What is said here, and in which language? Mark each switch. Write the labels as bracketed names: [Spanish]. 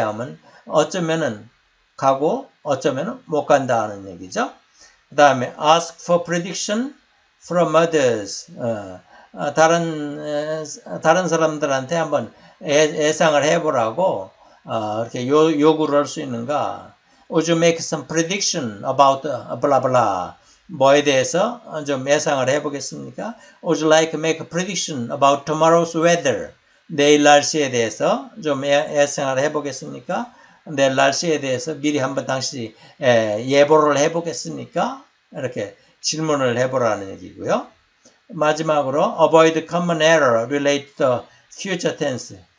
[Korean] 하면 어쩌면은 가고 어쩌면은 못 간다 하는 얘기죠. 그 다음에 [English] ask for prediction from others. [Korean] 다른 사람들한테 한번 예상을 해보라고 이렇게 요구를 할 수 있는가. [English] Would you make some prediction about blah blah? [Korean] 뭐에 대해서 좀 예상을 해보겠습니까? [English] Would you like to make a prediction about tomorrow's weather? [Korean] 내일 날씨에 대해서 좀 예상을 해보겠습니까? 내일 날씨에 대해서 미리 한번 당시 예보를 해보겠습니까? 이렇게 질문을 해보라는 얘기고요. 마지막으로 [English] avoid common error related to future tense.